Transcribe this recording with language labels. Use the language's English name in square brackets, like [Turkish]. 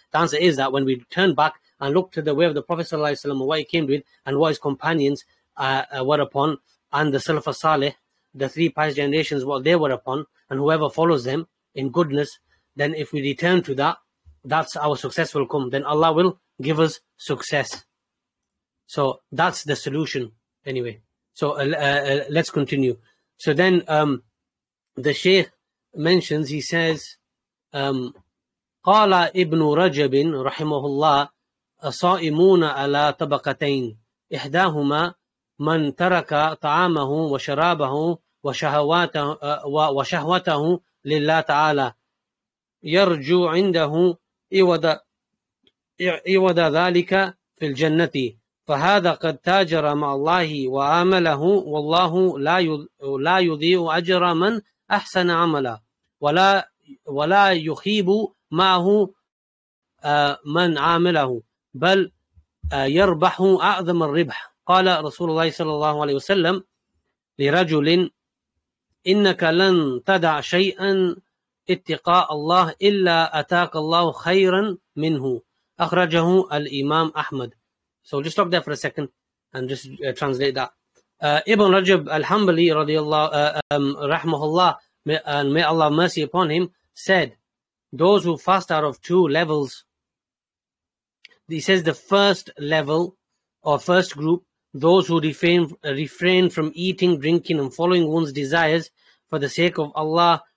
[English] The answer is that when we turn back and look to the way of the Prophet sallallahu alaihi wasallam, what he came with and what his companions were upon, and the Salaf al-Saleh, the three pious generations, what they were upon, and whoever follows them in goodness, then if we return to that, that's our success will come. Then Allah will give us success. So that's the solution anyway. So let's continue. So then the Shaykh mentions, he says, [Arabic] قَالَ إِبْنُ رَجَبٍ رَحِمَهُ اللَّهِ الصائمون على طبقتين إحداهما من ترك طعامه وشرابه وشهوته لله تعالى يرجو عنده إوض ذلك في الجنة فهذا قد تاجر مع الله وعمله والله لا يضيع أجر من أحسن عملا ولا يخيب معه من عامله بل يربح أعظم الربح قال رسول الله صلى الله عليه وسلم لرجل إنك لن تدع شيئا اتقاء الله إلا أتاك الله خيرا منه أخرجه الإمام أحمد. [English] So just stop there for a second and just translate that. Ibn Rajab al-Hanbali [Arabic] رضي الله رحمه الله [English] and may Allah have mercy upon him said, those who fast are of two levels. He says the first level or first group, those who refrain from eating, drinking and following one's desires for the sake of Allah